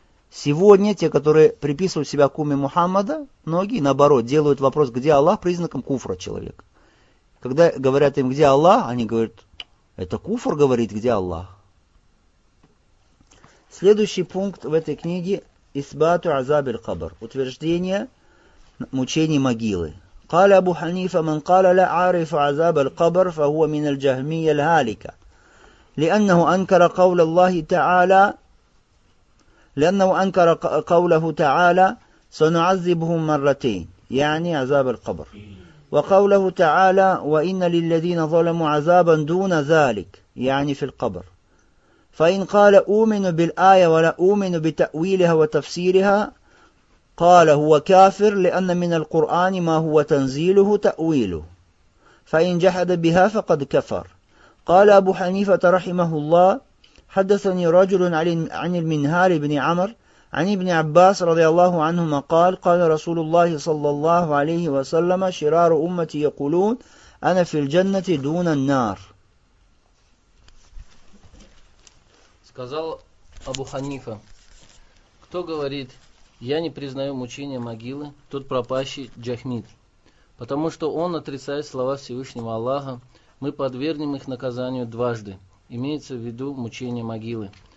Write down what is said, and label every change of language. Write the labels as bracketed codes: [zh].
[ru] Сегодня те, которые приписывают себя к умме Мухаммада, многие, наоборот, делают вопрос, где Аллах, признаком куфра человека. Когда говорят им, где Аллах, они говорят, это куфр говорит, где Аллах. Следующий пункт в этой книге «Исбату азабиль кабр» – утверждение мучений могилы. [ar] قال أبو حنيفة من قال لا أعرف عذاب القبر فهو من الجهمية الهالكة لأنه أنكر قول الله تعالى لأنه أنكر قوله تعالى سنعذبه مرتين يعني عذاب القبر وقوله تعالى وإن للذين ظلموا عذابا دون ذلك يعني في القبر فإن قال أؤمن بالآية ولا أؤمن بتأويلها وتفسيرها قال هو كافر لأن من القرآن ما هو تنزيله تأويله فإن جحد بها فقد كفر قال أبو حنيفة رحمه الله حدثني رجل عن المنهار بن عمر عن ابن عباس رضي الله عنهما قال قال رسول الله صلى الله عليه وسلم شرار أمتي يقولون أنا في الجنة دون النار [ru] сказал أبو حنيفة кто говорит Я не признаю мучения могилы, тот пропащий Джахмид, потому что он отрицает слова Всевышнего Аллаха, мы подвергнем их наказанию дважды, имеется в виду мучение могилы.